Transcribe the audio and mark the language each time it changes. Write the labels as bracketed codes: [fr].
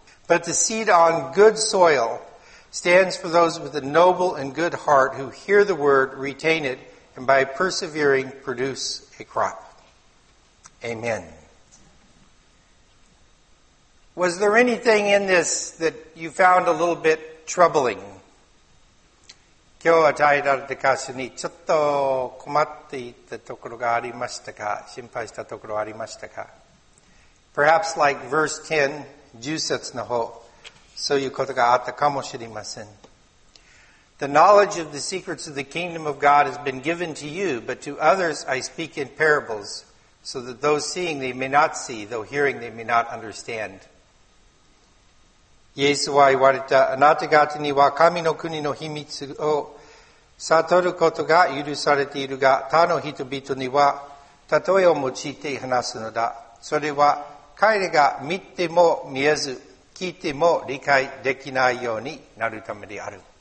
[en] But the seed on good soil stands for those with a noble and good heart who hear the word, retain it,And by persevering, produce a crop. Amen. Was there anything in this that you found a little bit troubling? [ja] 今日与えられた箇所にちょっと困っていたところがありましたか? 心配したところありましたか? [en] Perhaps like verse 10, [ja] 10節の方、そういうことがあったかもしれません。 [en] The knowledge of the secrets of the kingdom of God has been given to you, but to others I speak in parables, so that those seeing they may not see, though hearing they may not understand. [ja] イエスは言われた、あなた方には神の国の秘密を悟ることが許されているが、他の人々には例えを用いて話すのだ。それは彼らが見ても見えず、聞いても理解できないようになるためである。